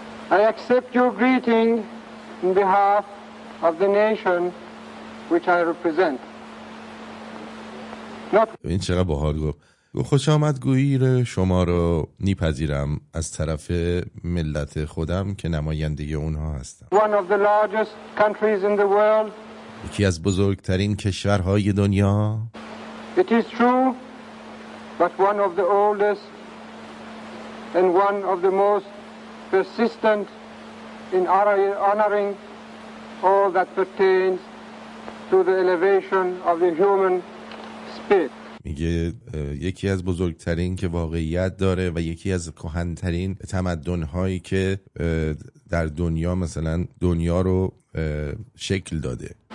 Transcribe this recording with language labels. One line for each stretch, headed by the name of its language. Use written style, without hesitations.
English: accept your greeting in behalf of the nation which I represent.
Persian: این چقدر باحال گفت. خوش آمدگویی شما رو میپذیرم از طرف ملت خودم که نماینده اونها هستم.
English: One of the largest countries in the world.
Persian: یکی از بزرگترین کشورهای دنیا.
English: It is true, but one of the oldest and one of the most persistent in honoring all that pertains to the elevation of the human spirit.
Persian: میگه یکی از بزرگترین که واقعیت داره و یکی از کهن‌ترین تمدن‌هایی که در دنیا مثلا دنیا رو شکل داده.